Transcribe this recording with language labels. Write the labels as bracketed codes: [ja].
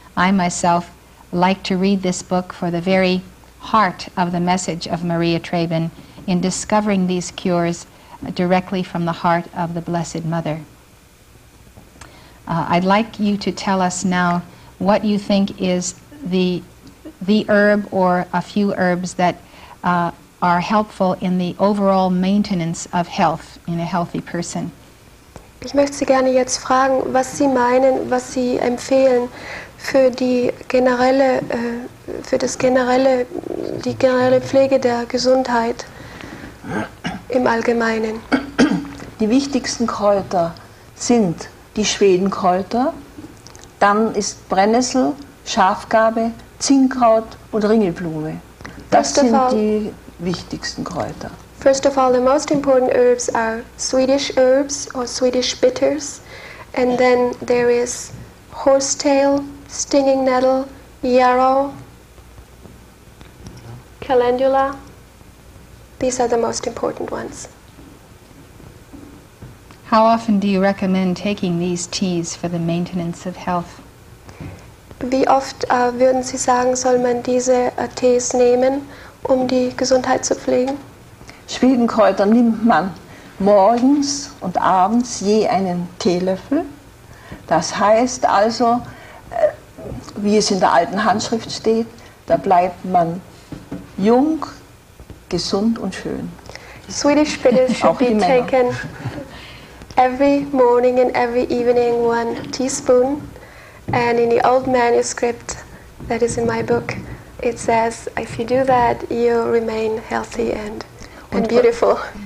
[en] I myself like to read this book for the very heart of the message of Maria Traben in discovering these cures directly from the heart of the Blessed Mother. I'd like you to tell us now what you think is the herb or a few herbs that are helpful in the overall maintenance of health in a healthy person. [de] Ich möchte Sie gerne jetzt fragen, was Sie meinen, was Sie empfehlen für die generelle generelle Pflege der Gesundheit im Allgemeinen. Die wichtigsten Kräuter sind die Schwedenkräuter, dann ist Brennnessel, Schafgarbe, Zinnkraut und Ringelblume. Das sind die wichtigsten Kräuter. [en] First of all, the most important herbs are Swedish herbs or Swedish bitters, and then there is horsetail, stinging nettle, yarrow, calendula. These are the most important ones. How often do you recommend taking these teas for the maintenance of health? [de] Wie oft würden Sie sagen, soll man diese Tees nehmen, um die Gesundheit zu pflegen? Schwedenkräuter nimmt man morgens und abends je einen Teelöffel. Das heißt also, wie es in der alten Handschrift steht, da bleibt man jung, gesund und schön. [en] Swedish bitters should be taken every morning and every evening, one teaspoon. And in the old manuscript that is in my book, it says, if you do that, you remain healthy and beautiful.